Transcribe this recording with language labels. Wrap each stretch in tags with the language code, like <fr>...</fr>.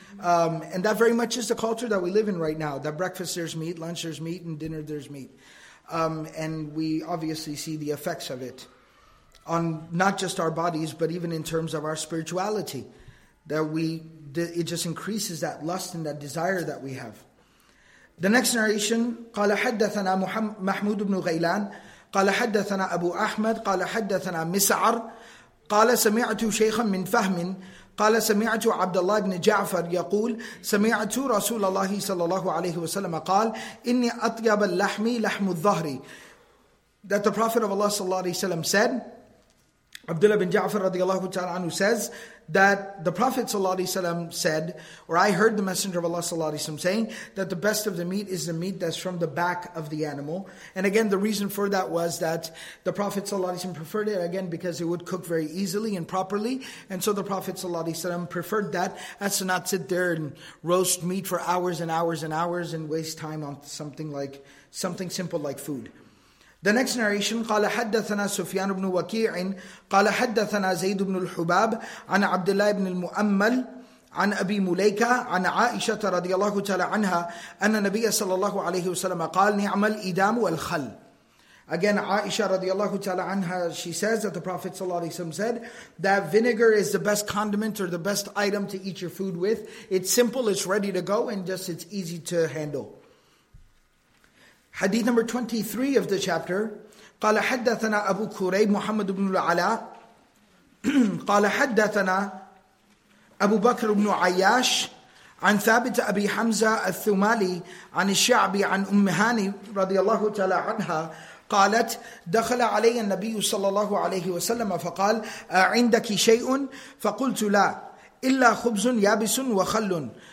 <en>And that very much is the culture that we live in right now, that breakfast there's meat, lunch there's meat, and dinner there's meat. And we obviously see the effects of it on not just our bodies, but even in terms of our spirituality, that we it just increases that lust and that desire that we have. The next narration,</en> <ar>قَالَ حَدَّثَنَا مَحْمُودُ بْنُ غَيْلَانِ قال حدثنا أبو أحمد قال حدثنا مسعر قال سمعت شيخا من فهم قال سمعت عبد الله بن جعفر يقول سمعت رسول الله صلى الله عليه وسلم قال إني أطيب اللحم لحم الظهر.</ar> <en>That the Prophet of Allah صلى الله عليه وسلم said, Abdullah bin Ja'far radiallahu ta'ala anhu says that the Prophet صلى الله عليه وسلم said, or I heard the Messenger of Allah صلى الله عليه وسلم saying, that the best of the meat is the meat that's from the back of the animal. And again, the reason for that was that the Prophet صلى الله عليه وسلم preferred it, again, because it would cook very easily and properly. And so the Prophet صلى الله عليه وسلم preferred that, as to not sit there and roast meat for hours and hours and hours and waste time on something like, something simple like food. The next narration,</en> <ar>قال حدثنا سفيان بن وكيع قال حدثنا زيد بن الحباب عن عبد الله بن المؤمل عن أبي مليكة عن عائشة رضي الله تعالى عنها أن النبي صلى الله عليه وسلم قال نعم الإدام والخل.</ar> <en>Again, Aisha radiallahu ta'ala anha, she says that the Prophet sallallahu alayhi wa sallam said that vinegar is the best condiment or the best item to eat your food with. It's simple, it's ready to go, and just it's easy to handle. Hadith number 23 of the chapter,</en> <ar>قال حدثنا أبو كريب محمد بن العلاء قال حدثنا أبو بكر بن عياش عن ثابت أبي حمزة الثمالي عن الشعبي عن أم هاني رضي الله تعالى عنها قالت دخل علي النبي صلى الله عليه وسلم فقال عندك شيء؟ فقلت لا إلا خبز يابس وخل.</ar>